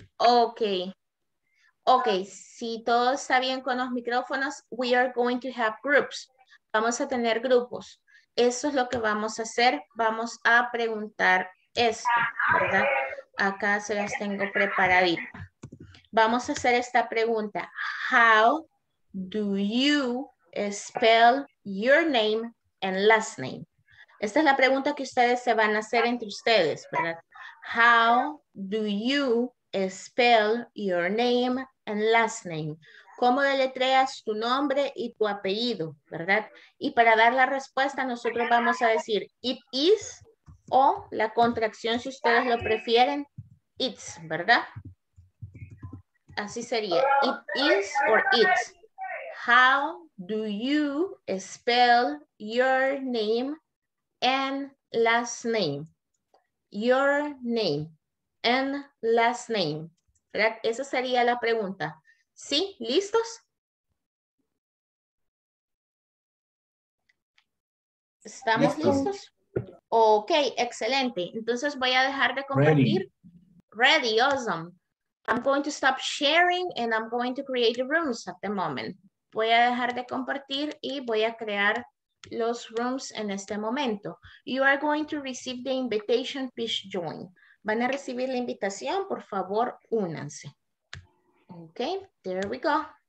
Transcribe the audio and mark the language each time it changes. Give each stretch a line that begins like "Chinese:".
English: Okay. Okay,
Spanish: si todo está bien con los micrófonos,
English: we are going to have groups.
Spanish: Vamos a tener grupos. Eso es lo que vamos a hacer. Vamos a preguntar esto, ¿verdad? Acá se las tengo preparadita. Vamos a hacer esta pregunta.
English: How do you spell your name and last name?
Spanish: Esta es la pregunta que ustedes se van a hacer entre ustedes, ¿verdad?
English: How do you spell your name and last name?
Spanish: ¿Cómo deletreas tu nombre y tu apellido, verdad? Y para dar la respuesta, nosotros vamos a decir
English: it is
Spanish: o la contracción, si ustedes lo prefieren, it's, ¿verdad? Así sería,
English: it is or it's. How do you spell your name and last name? Your name and last name. ¿Verdad?
Spanish: Esa sería la pregunta. ¿Sí? ¿Listos? ¿Estamos listos? Ok, excelente. Entonces voy a dejar de compartir.
English: Ready, awesome. I'm going to stop sharing and I'm going to create the rooms at the moment.
Spanish: Voy a dejar de compartir y voy a crear los rooms en este momento.
English: You are going to receive the invitation, please join.
Spanish: Van a recibir la invitación, por favor, únanse.
English: Okay, there we go.